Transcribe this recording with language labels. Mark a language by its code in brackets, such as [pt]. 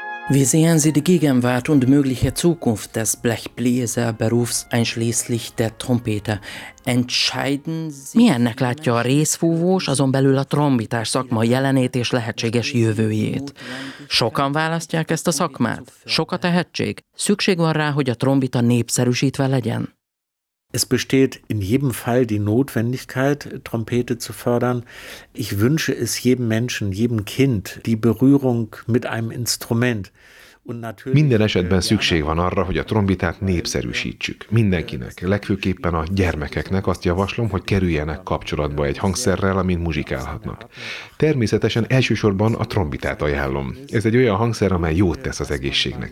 [de] Wie sehen Sie die Gegenwart und mögliche Zukunft des Blechbläserberufs, einschließlich der Trompete? Entscheiden Sie... [hu] Milyennek látja a részfúvós, azon belül a trombitás szakma jelenét és lehetséges jövőjét? Sokan választják ezt a szakmát. Sok a tehetség. Szükség van rá, hogy a trombita népszerűsítve legyen. [de] Es besteht in jedem Fall die Notwendigkeit, Trompete zu fördern. Ich wünsche es jedem Menschen, jedem Kind, die Berührung mit einem Instrument. [hu] Minden esetben szükség van arra, hogy a trombitát népszerűsítsük. Mindenkinek, legfőképpen a gyermekeknek azt javaslom, hogy kerüljenek kapcsolatba egy hangszerrel, amin muzsikálhatnak. Természetesen elsősorban a trombitát ajánlom. Ez egy olyan hangszer, amely jót tesz az egészségnek.